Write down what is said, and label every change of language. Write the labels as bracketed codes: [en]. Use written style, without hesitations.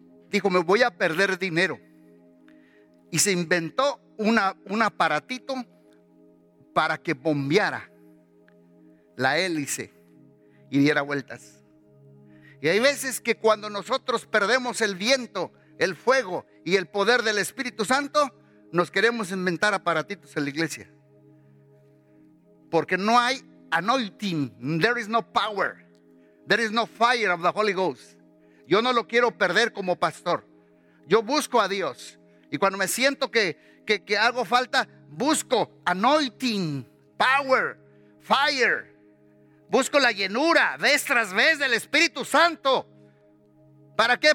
[es] Dijo, me voy a perder dinero. Y se inventó un aparatito para que bombeara la hélice y diera vueltas. Y hay veces que cuando nosotros perdemos el viento, el fuego y el poder del Espíritu Santo, nos queremos inventar aparatitos en la iglesia. Porque no hay [en] anointing, there is no power, there is no fire of the Holy Ghost. [es] Yo no lo quiero perder como pastor. Yo busco a Dios. Y cuando me siento que hago falta, busco [en] anointing, power, fire. [es] Busco la llenura, vez tras vez, del Espíritu Santo. ¿Para qué?